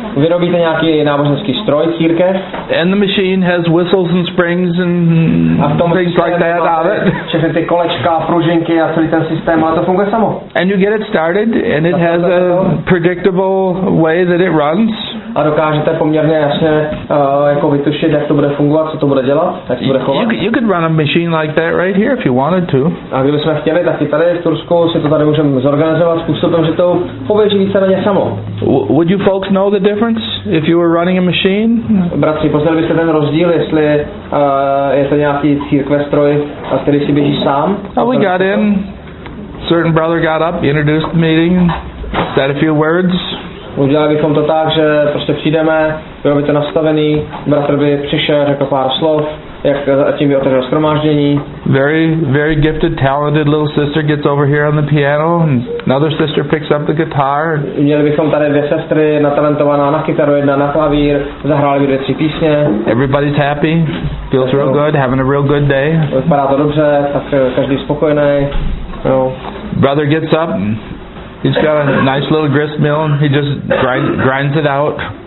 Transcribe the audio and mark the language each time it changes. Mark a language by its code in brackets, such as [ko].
[cs] Vyrobíte nějaký náboženský stroj, církev. [en] And the machine has whistles and springs and things like that out of it. [cs] Všechny ty kolečka, pružinky a celý ten systém, ale to funguje samo. [en] And you get it started and it has a predictable way that it runs. [cs] A dokážete poměrně jasně jako vytušit, jak to bude fungovat, co to bude dělat, jak to bude chovat. [en] You could run a machine like that right here if you wanted to. [cs] A kdybychom chtěli, tak i tady v Tursku si to tady můžeme zorganizovat způsobem, že to poběží víceméně samo. [en] Would you folks know the difference if you were running a machine? [cs] Bratři, poznali byste ten rozdíl, jestli je to nějaký církve stroj, a který si běží sám? [en] Well, we got in. Certain brother got up, introduced the meeting, said a few words. [cs] Udělali bychom to tak, že prostě přijdeme, bylo by to nastavený, bratr by přišel, řekl pár slov, jak tím by otevřel shromáždění. [en] Very, very gifted, talented little sister gets over here on the piano and another sister picks up the guitar. [cs] Měli bychom tady dvě sestry, jedna talentovaná na kytaru, jedna na klavír, zahráli by dvě, tři písně. [en] Everybody's happy, feels real good, having a real good day. [cs] Vypadá to dobře, tak každý spokojený. [en] No. Brother gets up. He's got a nice little grist mill and he just grinds it out.